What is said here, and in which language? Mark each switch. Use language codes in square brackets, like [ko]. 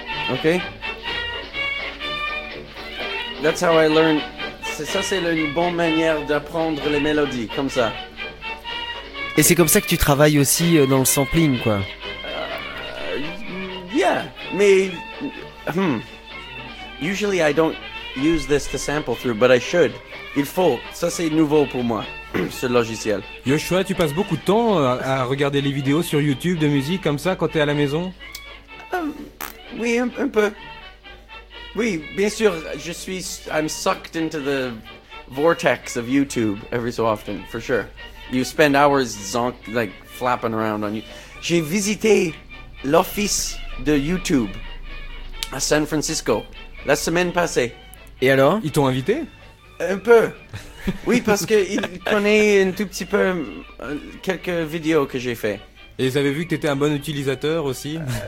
[en] Okay. That's how I learn. [fr] Ça c'est une bonne manière d'apprendre les mélodies, comme ça. Et c'est comme ça que tu travailles aussi dans le sampling, quoi. [en] Yeah, mais usually I don't use this to sample through, but I should. [fr] Il faut. Ça c'est nouveau pour moi, ce logiciel. Joshua, tu passes beaucoup de temps à regarder les vidéos sur YouTube de musique comme ça quand t'es à la maison. Oui, un peu. Oui, bien sûr, je suis... [en] I'm sucked into the vortex of YouTube every so often, for sure. You spend hours zonk, like, flapping around on you. [fr] J'ai visité l'office de YouTube à San Francisco la semaine passée. Et alors? Ils t'ont invité? Un peu. Oui, parce qu'ils connaissent un tout petit peu quelques vidéos que j'ai faites. Et ils avaient vu que tu étais un bon utilisateur aussi.